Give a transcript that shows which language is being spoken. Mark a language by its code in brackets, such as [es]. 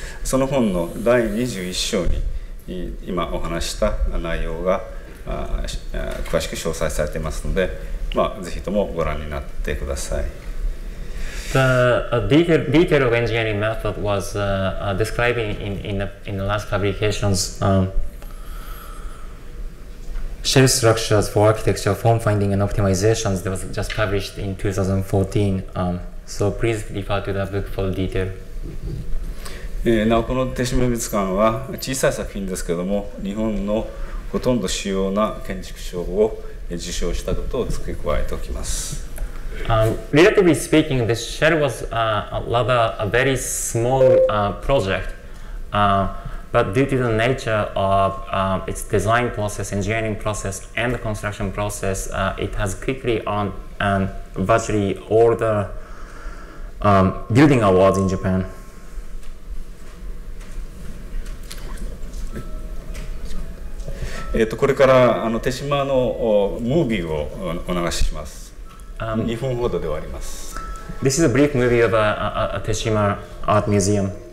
[ja] その本の第21章に今お話した内容が詳しく詳細されていますので、ぜひともご覧になってください。 [en] The detail of engineering method was described in the last publications. shell structures for architecture, form finding, and optimizations that was just published in 2014. So please refer to that book for detail. [ja] なおこの手島美術館は小さい作品ですけれども、日本のほとんど主要な建築賞を受賞したことを付け加えておきます。 [en] Relatively speaking, the shell was a very small project, but due to the nature of its design process, engineering process, and the construction process, it has quickly earned and virtually all the building awards in Japan. [ja] これからあの手島のムービーをお流しします。 2分ほどで終わります。 [en] This is a brief movie of a Teshima Art Museum.